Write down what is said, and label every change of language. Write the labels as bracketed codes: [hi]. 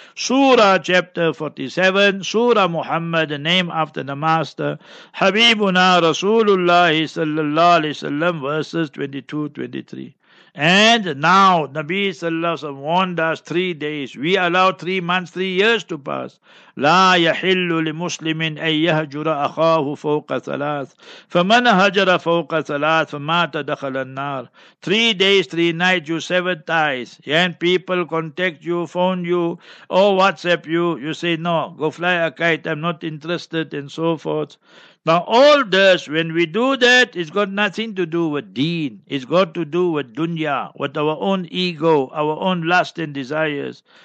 [en] Surah chapter 47, Surah Muhammad, the name after the Master, Habibuna Rasulullah sallallahu alayhi wa sallam, verses 22-23. And now Nabi sallallahu alaihi wasallam warned us 3 days. We allow 3 months, 3 years to pass. [ar] لا يحل لمسلمٍ أن يهجر أخاه فوق ثلاث فمن هجر فوق ثلاث فمات دخل النار. [en] 3 days, 3 nights, you severed ties. And people contact you, phone you, or WhatsApp you. You say, no, go fly a kite, I'm not interested, and so forth. Now all this, when we do that, it's got nothing to do with deen. It's got to do with dunya, with our own ego, our own lust and desires.